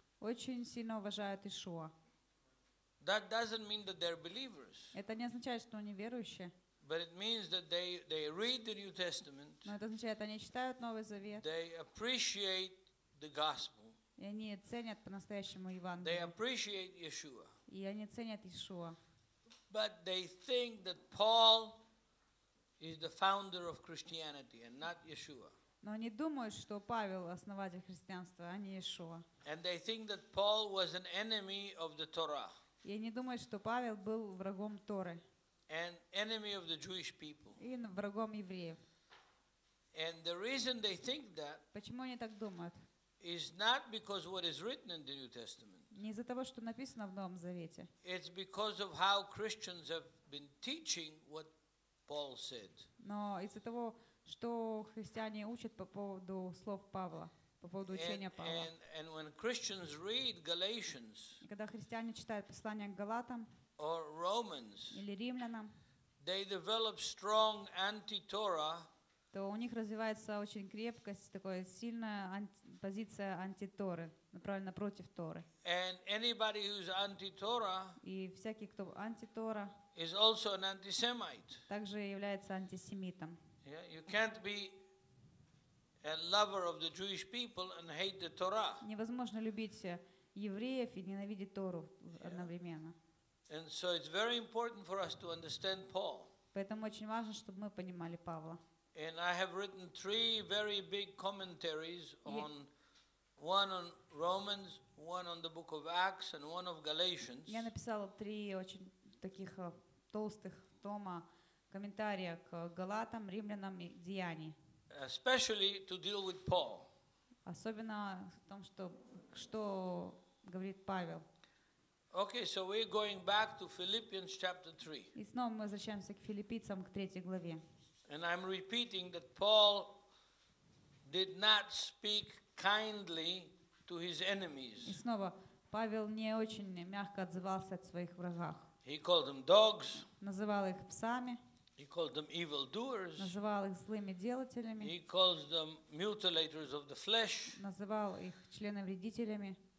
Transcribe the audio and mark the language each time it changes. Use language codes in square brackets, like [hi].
[uk] Очень сильно вважають Ішуа. [en] That doesn't mean that they're believers. [uk] Це не означає, що вони віруючі. [en] But it means that they read the New Testament. [uk] Ну, це означає, вони читають Новий Завіт. [en] They appreciate the gospel. [uk] І вони цінять [ru] по-настоящему [uk] Євангеліє. [en] They appreciate Yeshua. [uk] І вони цінять Ішуа. [en] But they think that Paul is the founder of Christianity and not Yeshua. [ru] Но они думают, что Павел основатель христианства, а не Иешуа. [en] And they think that Paul was an enemy of the Torah. [ru] И они думают, что Павел был врагом Торы. [en] And enemy of the Jewish people. [ru] И врагом евреев. [en] And the reason they think that. [ru] Почему они так думают? [en] Is not because what is written in the New Testament. [ru] Не из-за того, что написано в Новом Завете. [en] It's because of how Christians have been teaching what Paul said. [ru] Но из-за того, [uk] що християни учать [ru] по поводу слов Павла, по поводу [uk] учення [ru] Павла. [en] And when Christians read Galatians, [uk] коли християни читають послання к Галатам, [en] or Romans, [ru] или Римлянам, [en] they develop strong anti-Torah, [uk] то у них розвивається дуже крепкость, [ru] такая [uk] сильна позиція антиТори, направлена [ru] против Торы. [en] And anybody who's anti-Torah, [uk] і всякий, хто антиТора, [en] is also an anti-Semite. [ru] Также является антисемитом. [en] Yeah, you can't be a lover of the Jewish people and hate the Torah. [ru] Невозможно любить евреев и ненавидеть Тору одновременно. [en] And so it's very important for us to understand Paul. [ru] Поэтому очень важно, чтобы мы понимали Павла. [en] And I have written three very big commentaries on one on Romans, one on the book of Acts and one of Galatians. [ru] Я написала три очень таких толстых тома. [uk] Коментарія к Галатам, Римлянам і Діяні. [en] Especially to deal with Paul. [ru] Особенно в том, что говорит Павел. [en] Okay, so we're going back to Philippians chapter 3. [ru] И снова мы возвращаемся к Филиппийцам, к третьей главе. [en] And I'm repeating that Paul did not speak kindly to his enemies. [ru] И снова Павел не очень мягко отзывался от своих врагов. [en] He called them dogs. [ru] Называл их псами. [en] He called them evildoers. [ru] Называл их злыми делателями. [en] He calls them mutilators of the flesh. [ru] Называл их членовредителями.